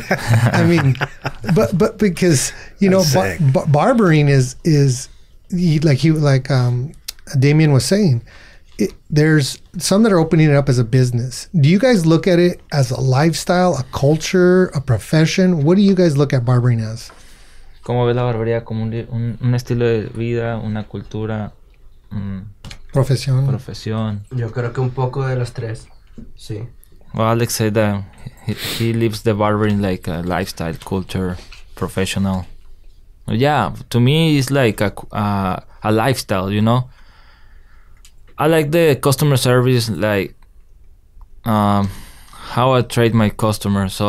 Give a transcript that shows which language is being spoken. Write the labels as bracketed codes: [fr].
[en] I mean, but because, you know, barbering is like Damien was saying, there's some that are opening it up as a business. Do you guys look at it as a lifestyle, a culture, a profession? What do you guys look at barbering as? [es] ¿Cómo ves la barbería como un estilo de vida, una cultura? Profesión. Profesión. Yo creo que un poco de los tres, sí. [en] Well, Alex said that he lives the barbering like a lifestyle, culture, professional. Yeah, to me it's like a lifestyle, you know? I like the customer service, like how I treat my customers.